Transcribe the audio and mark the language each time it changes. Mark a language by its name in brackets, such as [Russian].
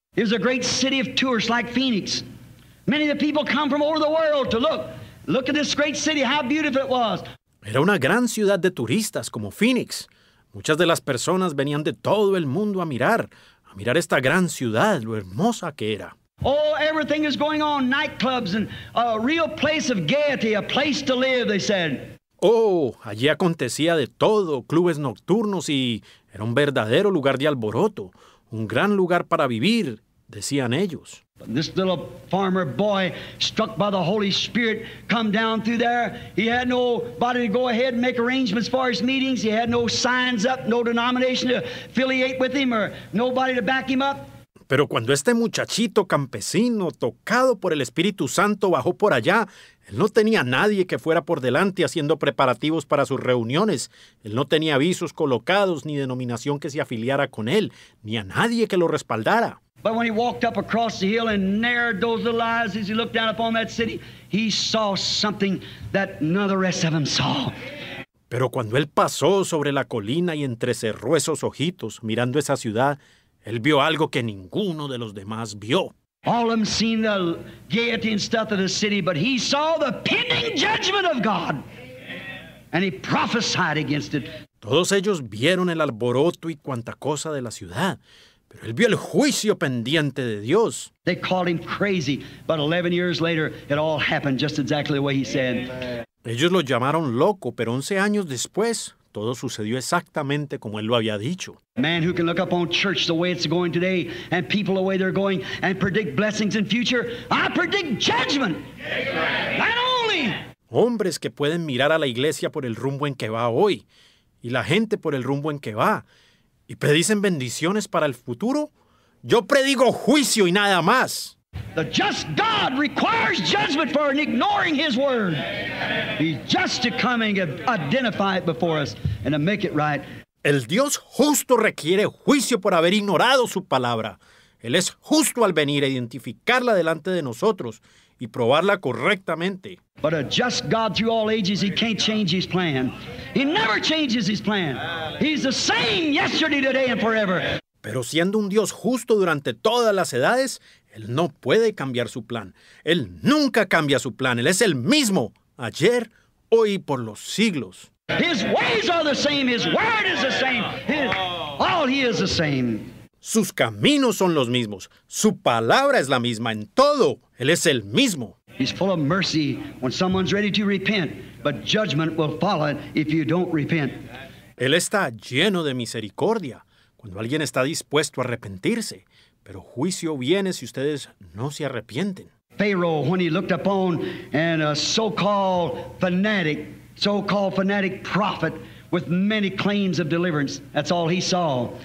[English] It was a great city of tourists like Phoenix. Many of the people come from over the world to look. Look at this great city, how beautiful it was. [Spanish] Era una gran ciudad de turistas como Phoenix. Muchas de las personas venían de todo el mundo a mirar esta gran ciudad, lo hermosa que era. [English] Oh, everything is going on, nightclubs and a real place of gaiety, a place to live, they said. [Spanish] Oh, allí acontecía de todo, clubes nocturnos y era un verdadero lugar de alboroto. Un gran lugar para vivir, decían ellos. [English] This little farmer boy, struck by the Holy Spirit, come down through there. He had nobody to go ahead and make arrangements for his meetings. He had no signs up, no denomination to affiliate with him, or nobody to back him up. [Spanish] Pero cuando este muchachito campesino, tocado por el Espíritu Santo, bajó por allá, él no tenía nadie que fuera por delante haciendo preparativos para sus reuniones. Él no tenía avisos colocados, ni denominación que se afiliara con él, ni a nadie que lo respaldara. [English] But when he walked up across the hill and narrowed those little eyes as he looked down upon that city, he saw something that none of the rest of them saw. [Spanish] Pero cuando él pasó sobre la colina y entrecerró esos ojitos mirando esa ciudad, él vio algo que ninguno de los demás vio. [English] All of them seen the gaiety and stuff of the city, but he saw the pending judgment of God. And he prophesied against it. [Spanish] Todos ellos vieron el alboroto y cuanta cosa de la ciudad, pero él vio el juicio pendiente de Dios. [English] They called him crazy, but 11 years later, it all happened just exactly the way he said. [Spanish] Ellos lo llamaron loco, pero 11 años después, todo sucedió exactamente como él lo había dicho. [English] Man who can look up on church the way it's going today and people the way they're going and predict blessings in future, I predict judgment. Not only. [Spanish] Hombres que pueden mirar a la iglesia por el rumbo en que va hoy y la gente por el rumbo en que va y predicen bendiciones para el futuro, yo predigo juicio y nada más. [English] The just God requires judgment for ignoring His word. He's just to come and identify it before us and to make it right. [Spanish] El Dios justo requiere juicio por haber ignorado su palabra. Él es justo al venir a identificarla delante de nosotros y probarla correctamente. [English] But a just God through all ages, he can't change his plan. He never changes his plan. He's the same yesterday, today, and forever. [Spanish] Pero siendo un Dios justo durante todas las edades, él no puede cambiar su plan. Él nunca cambia su plan. Él es el mismo ayer, hoy y por los siglos. [English] His ways are the same. His word is the same. All he is the same. [Spanish] Sus caminos son los mismos. Su palabra es la misma en todo. Él es el mismo. [English] He's full of mercy when someone's ready to repent, but judgment will follow if you don't repent. [Spanish] Él está lleno de misericordia cuando alguien está dispuesto a arrepentirse, pero juicio viene si ustedes no se arrepienten. [English] Pharaoh, when he looked upon and a so-called fanatic prophet with many claims of deliverance, that's all he saw.